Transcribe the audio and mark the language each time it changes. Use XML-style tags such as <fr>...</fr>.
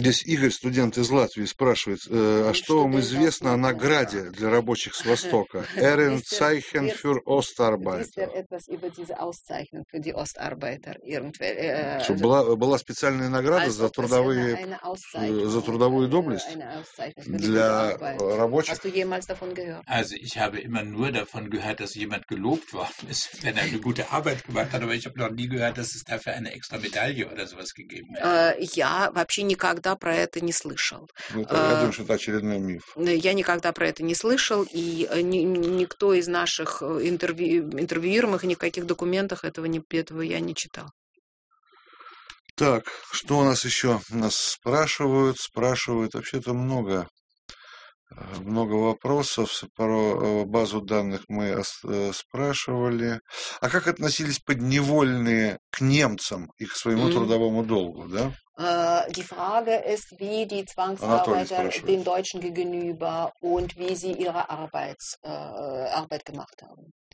<ru>Здесь Игорь, студент из Латвии, спрашивает, а что вам известно о награде для рабочих с Востока?</ru> <de>Ehrenzeichen für Ostarbeiter.</de> <ru>Была специальная награда за трудовую доблесть для рабочих?</ru> <de>Also ich habe immer nur davon gehört, dass jemand gelobt worden ist, wenn er eine gute Arbeit gemacht hat, aber ich habe noch nie gehört, dass es dafür eine extra Medaille oder sowas gegeben hat.</de> <ru>Я вообще никогда про это не слышал. Я думаю, что это очередной миф. Я никогда про это не слышал, и никто из наших интервьюируемых никаких документах этого я не читал. Так, что у нас еще? Нас спрашивают, вообще-то много. Много вопросов, базу данных мы спрашивали. А как относились подневольные к немцам и к своему трудовому долгу, да?</ru> <de>Die Frage ist, wie die Zwangsarbeiter den Deutschen gegenüber und wie sie ihre Arbeit gemacht haben.</de>